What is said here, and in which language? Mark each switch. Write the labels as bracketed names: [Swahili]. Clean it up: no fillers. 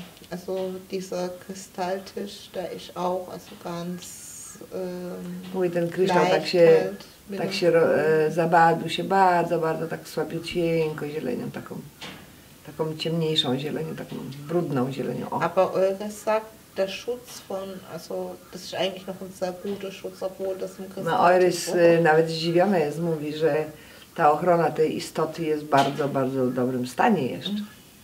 [German] Also dieser Kristalltisch, der ist auch also ganz [Polish] mówi, ten kryształ tak się zabarwił się bardzo, bardzo tak słabiutko zielenią, taką ciemniejszą zielenią, taką brudną zielenią. [German] Aber Ulrich sagt, der Schutz von, also das ist eigentlich noch ein sehr guter Schutz, obwohl das im Kristall. [Polish] No Ulrich nawet zdziwiony jest, mówi, że ta ochrona tej istoty jest bardzo, bardzo w dobrym stanie jeszcze. Mhm.